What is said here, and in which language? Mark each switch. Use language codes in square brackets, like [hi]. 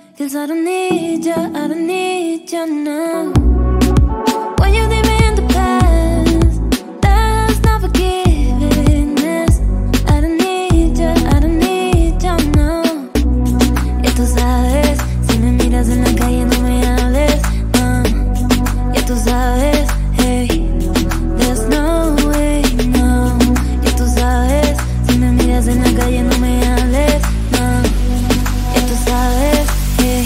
[en] I don't need ya, I don't need ya, no. When you leave me in the past, that's not forgiveness. I don't need ya, I don't need ya, no. [es] Y tú sabes, si me miras en la calle no me hables, no. Y tú sabes, [en] hey, there's no way, no. [es] Y tú sabes, si me miras en la calle no me hables, no. Y tú sabes, hey,